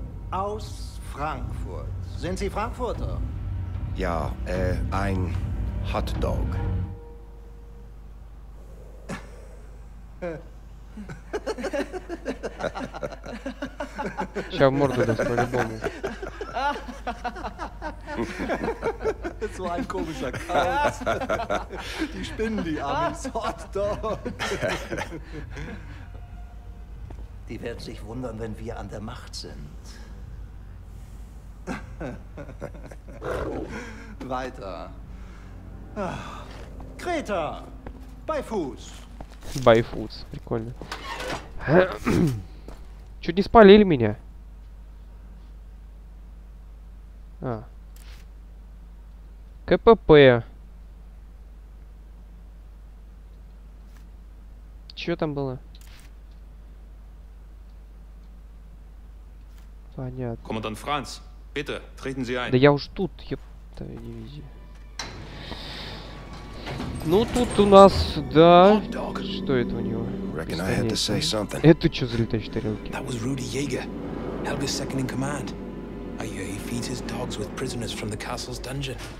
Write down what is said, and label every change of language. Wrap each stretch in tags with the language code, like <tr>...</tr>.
<de>Aus Frankfurt. Sind Sie Frankfurter? Ja, ein Hotdog.</de> <ru>Сейчас в морду даст по-любому.</ru> <de>Das war ein komischer Kreis. Die spinnen die Amis Hotdog. Die werden sich wundern, wenn wir an der Macht sind. Weiter. Greta, bei Fuß. Bei Fuß,</de> <ru>прикольно. Чуть не спалили меня. А. КПП. Чё там было? Понятно.</ru> <de>Командант Франц, bitte, treten Sie ein.</de> <ru>Да я уж тут, ёптая дивизия. Ну тут у нас, да. Что это у него? Это что за летающие тарелки?</ru> <en>That was Rudy Jaeger, Helga's second in command. I hear he feeds his dogs with prisoners from the castle's dungeon.</en>